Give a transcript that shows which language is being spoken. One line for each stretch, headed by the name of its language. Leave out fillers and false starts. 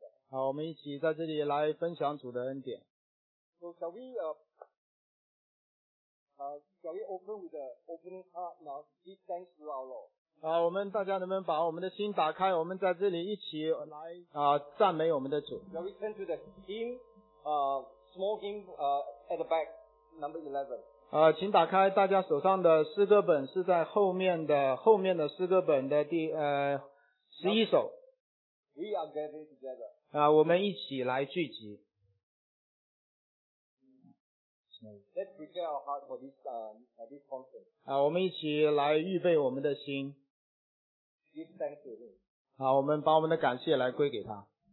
Chinese: 好，我们一起在这里来分享主的恩典。
English: So shall we, shall we open with the opening heart now, give thanks to our Lord?
Chinese: 我们大家能不能把我们的心打开，我们在这里一起来赞美我们的主。
English: Shall we turn to the hymn, small hymn, at the back, number 11.
Chinese: 请打开大家手上的诗歌本，是在后面的诗歌本的11首。
English: We are gathering together.
Chinese: 我们一起来聚集。
English: Let's prepare our heart for this conference.
Chinese: 我们一起来预备我们的心。
English: Give thanks to him.
Chinese: 好，我们把我们的感谢来归给他。